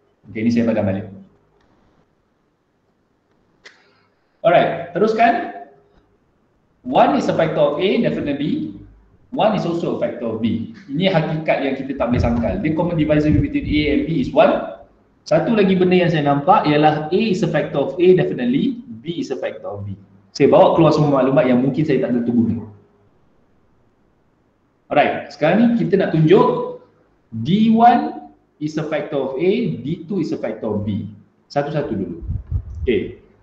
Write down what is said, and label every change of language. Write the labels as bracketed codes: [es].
[ms] Okay, ni saya padam balik. [en] Alright, [ms] teruskan. [en] 1 is a factor of A, definitely. 1 is also a factor of B. [ms] Ini hakikat yang kita tak boleh sangkal. [en] The common divisor between A and B is 1. [ms] Satu lagi benda yang saya nampak ialah [en] A is a factor of A, definitely. B is a factor of B. [ms] Saya bawa keluar semua maklumat yang mungkin saya tak tentu guna. [en] Alright, [ms] sekarang ni kita nak tunjuk [en] D1 is a factor of A, D2 is a factor of B. [ms] Satu-satu dulu. [en] Okay.